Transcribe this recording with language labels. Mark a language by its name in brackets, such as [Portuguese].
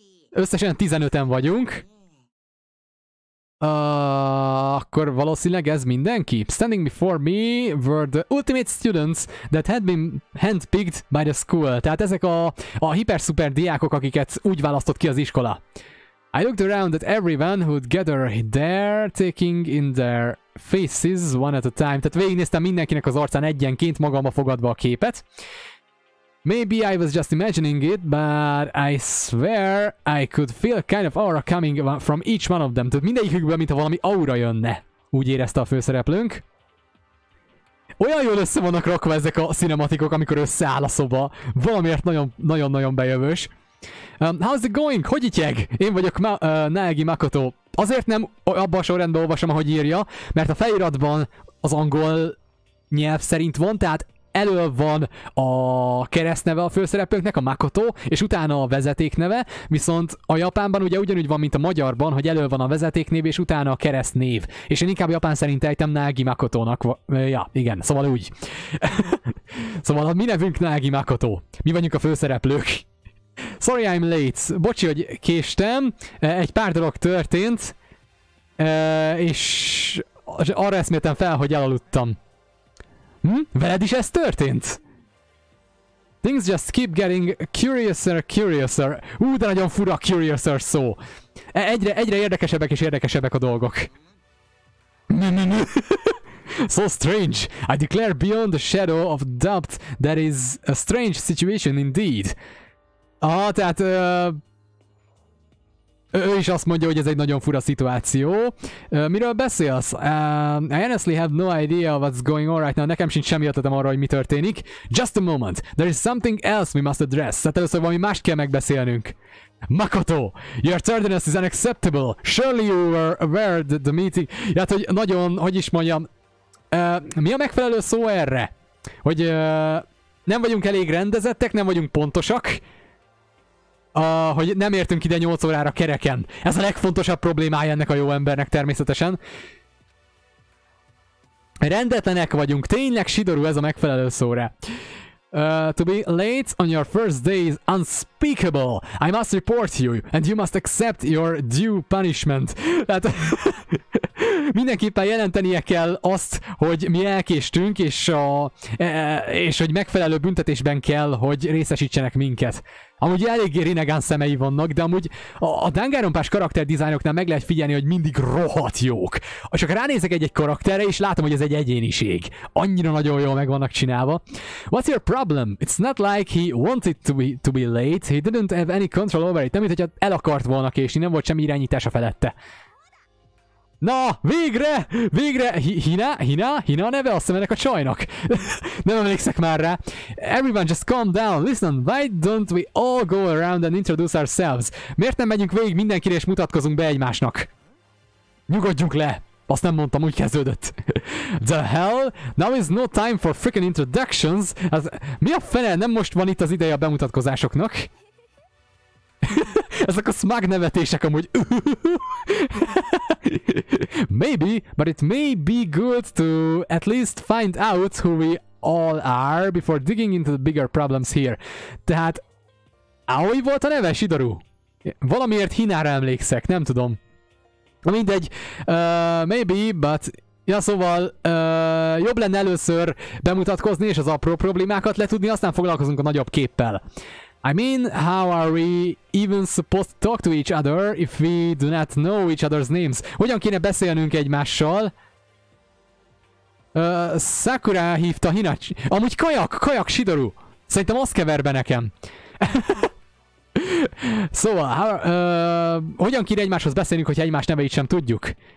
[Hungarian] Összesen 15-en vagyunk. Akkor valószínűleg ez mindenki. [English] Standing before me were the ultimate students that had been handpicked by the school. [Hungarian] Tehát ezek a hiper-szuper diákok, akiket úgy választott ki az iskola. [English] I looked around at everyone who'd gather there, taking in their faces one at a time. [Hungarian] Tehát végignéztem mindenkinek az arcán egyenként, magamba fogadva a képet. [English] Maybe I was just imagining it, but I swear I could feel kind of aura coming from each one of them. [Hungarian] Tehát mindegyikükből, mintha valami aura jönne. Úgy érezte a főszereplőnk. Olyan jól össze vannak rakva ezek a cinematikok, amikor összeáll a szoba. Valamiért nagyon-nagyon bejövős. [English] How's it going? [Hungarian] Hogy ityeg? Én vagyok Naegi Makoto. Azért nem abban a sorrendben olvasom, ahogy írja, mert a feliratban az angol nyelv szerint van, tehát elő van a keresztneve a főszereplőknek, a Makoto, és utána a vezetékneve, viszont a japánban ugye ugyanúgy van, mint a magyarban, hogy elő van a vezetéknév, és utána a keresztnév. És én inkább japán szerint ejtem Naegi Makotónak. Ja, igen, szóval úgy. Szóval a mi nevünk Naegi Makoto. Mi vagyunk a főszereplők. [English] Sorry I'm late. [Hungarian] Bocsi, hogy késtem. Egy pár dolog történt, és arra eszméltem fel, hogy elaludtam. Veled is ez történt? [English] Things just keep getting curiouser, curiouser. [Hungarian] De nagyon fura curiouser szó. Egyre érdekesebbek és érdekesebbek a dolgok. [English] So strange. I declare beyond the shadow of doubt that is a strange situation indeed. [Hungarian] Tehát... Ő is azt mondja, hogy ez egy nagyon fura szituáció. Miről beszélsz? [English] I honestly have no idea what's going on right now. [Hungarian] Nekem sincs semmi ötletem arra, hogy mi történik. [English] Just a moment. There is something else we must address. [Hungarian] Tehát először valami mást kell megbeszélnünk. [English] Makoto, your tardiness is unacceptable. Surely you were aware that the meeting... [Hungarian] Tehát, hogy nagyon, hogy is mondjam... mi a megfelelő szó erre? Hogy nem vagyunk elég rendezettek, nem vagyunk pontosak. Hogy nem értünk ide 8 órára kereken. Ez a legfontosabb problémája ennek a jó embernek természetesen. Rendetlenek vagyunk, tényleg sidorú ez a megfelelő szóra. [English] To be late on your first day is unspeakable. I must report you, and you must accept your due punishment. [Hungarian] Tehát mindenképpen jelentenie kell azt, hogy mi elkéstünk, és hogy megfelelő büntetésben kell, hogy részesítsenek minket. Amúgy eléggé Rinnegan szemei vannak, de amúgy a Danganronpás karakter dizájnoknál meg lehet figyelni, hogy mindig rohadt jók. Csak ránézek egy-egy karakterre, és látom, hogy ez egy egyéniség. Annyira nagyon jól meg vannak csinálva. [English] What's your problem? It's not like he wanted to be late. He didn't have any control over it. [Hungarian] Nem, mint hogyha el akart volna késni, nem volt semmi irányítása felette. Na, végre! Végre! Hina? Hina? Hina a neve? Azt hiszem ennek a csajnak. Nem emlékszek már rá. [English] Everyone just calm down. Listen, why don't we all go around and introduce ourselves? [Hungarian] Miért nem megyünk végig mindenkire és mutatkozunk be egymásnak? Nyugodjunk le! Azt nem mondtam, úgy kezdődött. [English] The hell? Now is no time for freaking introductions. [Hungarian] Az, mi a fene? Nem most van itt az ideje a bemutatkozásoknak? Ezek a smug nevetések amúgy. [English] Maybe, but it may be good to at least find out who we all are before digging into the bigger problems here. [Hungarian] Tehát, Aoi volt a neve, Sidoru? Valamiért Hinára emlékszek, nem tudom. Na mindegy, [English] maybe, but... [Hungarian] Ja, szóval, jobb lenne először bemutatkozni és az apró problémákat letudni, aztán foglalkozunk a nagyobb képpel. [English] I mean, how are we even supposed to talk to each other if we do not know each other's names? [Hungarian] Hogyan kéne beszélnünk egymással? Sakura hívta Hinachi... Amúgy kajak, Sidoru! Szerintem az kever be nekem. Szóval, hogyan kéne egymáshoz beszélnünk, hogyha egymás neveit sem tudjuk?